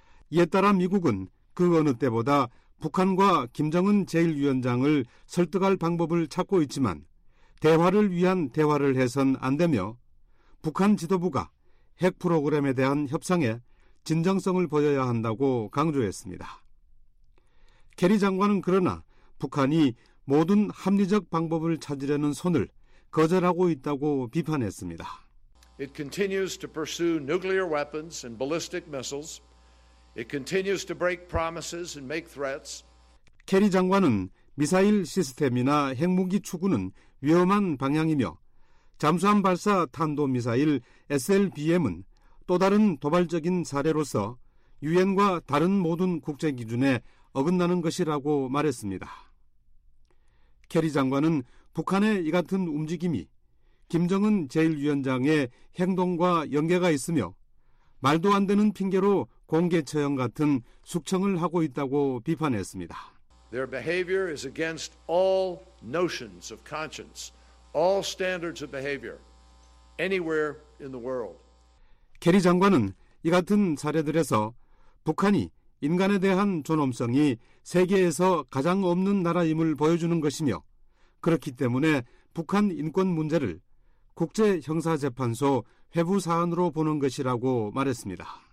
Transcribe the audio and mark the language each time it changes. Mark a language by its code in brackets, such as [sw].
[ko] 이에 따라 미국은 그 어느 때보다 북한과 김정은 제1위원장을 설득할 방법을 찾고 있지만 대화를 위한 대화를 해선 안 되며 북한 지도부가 핵 프로그램에 대한 협상에 진정성을 보여야 한다고 강조했습니다. 케리 장관은 그러나 북한이 모든 합리적 방법을 찾으려는 손을 거절하고 있다고 비판했습니다. [en] It continues to pursue nuclear weapons and ballistic missiles. It continues to break promises and make threats. [ko] 케리 장관은 미사일 시스템이나 핵무기 추구는 위험한 방향이며 잠수함 발사 탄도미사일 SLBM은 또 다른 도발적인 사례로서 유엔과 다른 모든 국제 기준에 어긋나는 것이라고 말했습니다. 케리 장관은 북한의 이 같은 움직임이 김정은 제1위원장의 행동과 연계가 있으며 말도 안 되는 핑계로 공개 처형 같은 숙청을 하고 있다고 비판했습니다. [en] Their behavior is against all notions of conscience, all standards of behavior anywhere in the world. [ko] 캐리 장관은 이 같은 사례들에서 북한이 인간에 대한 존엄성이 세계에서 가장 없는 나라임을 보여주는 것이며 그렇기 때문에 북한 인권 문제를 국제형사재판소 회부 사안으로 보는 것이라고 말했습니다.